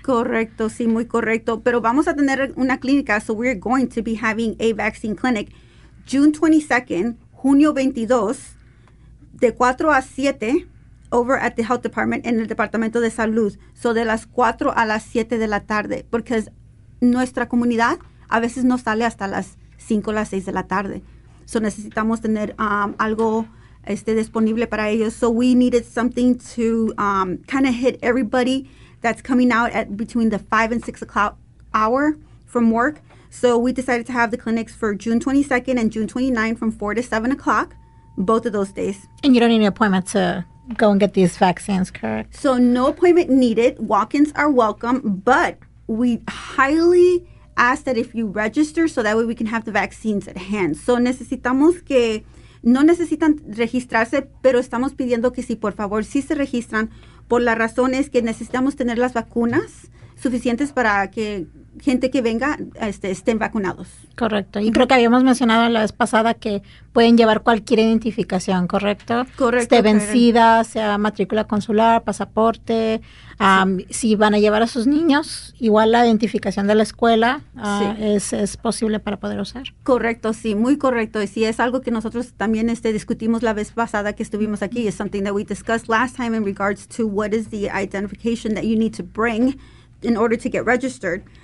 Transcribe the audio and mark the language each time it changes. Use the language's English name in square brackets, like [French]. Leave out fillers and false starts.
[Spanish] Correcto, sí, muy correcto. Pero vamos a tener una clínica, [English] so we're going to be having a vaccine clinic June 22nd, [Spanish] junio 22, de 4 a 7, [English] over at the health department, [Spanish] en el departamento de salud. So de las 4 a las 7 de la tarde, porque nuestra comunidad a veces no sale hasta las 5 a las 6 de la tarde. So necesitamos tener algo disponible para ellos. [English] So we needed something to kind of hit everybody that's coming out at between the 5 and 6 o'clock hour from work. So we decided to have the clinics for June 22nd and June 29th from 4 to 7 o'clock, both of those days. And you don't need an appointment to go and get these vaccines, correct? So no appointment needed. Walk-ins are welcome, but we highly ask that if you register, so that way we can have the vaccines at hand. [Spanish] So necesitamos que, no necesitan registrarse, pero estamos pidiendo que si por favor, si se registran, por la razón es que necesitamos tener las vacunas suficientes para que gente que venga estén vacunados. Correcto. Y creo que habíamos mencionado la vez pasada que pueden llevar cualquier identificación, ¿correcto? Correcto. Esté vencida, sea matrícula consular, pasaporte. Sí. Si van a llevar a sus niños, igual la identificación de la escuela es posible para poder usar. Correcto, sí, muy correcto. Y sí, es algo que nosotros también discutimos la vez pasada que estuvimos aquí. [English] Es something that we discussed last time in regards to what is the identification that you need to bring in order to get registered.